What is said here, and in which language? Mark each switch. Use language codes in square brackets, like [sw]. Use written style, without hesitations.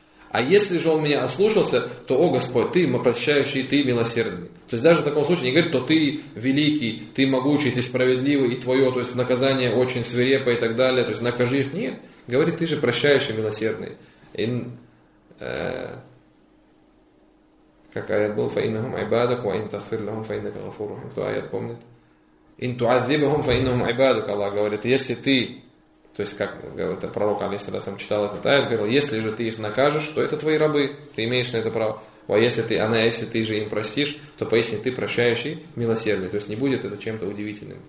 [ru] А если же он меня ослушался, то, о Господь, ты прощающий, ты милосердный. То есть даже в таком случае не говорит, то ты великий, ты могучий, ты справедливый, и твое, то есть наказание очень свирепое и так далее, то есть накажи их. Нет. Говорит, ты же прощающий, милосердный. Как аят был, [ar] فَإِنَّهُمْ عِبَادُكَ وَإِنْ تَغْفِرْ لَهُمْ فَإِنَّكَ غَفُورُ رَحِيمٌ. [ru] Кто аят помнит? [ar] إِنْ تُعَذِّبَهُمْ فَإِنَّهُمْ عِبَادُكَ. [ru] Аллах говорит, если ты, то есть как говорит, пророк, алейхиссалям, читал этот аят, говорил, если же ты их накажешь, то это твои рабы, ты имеешь на это право. Если ты же им простишь, то поистине ты прощающий, милосердный. То есть не будет это чем-то удивительным.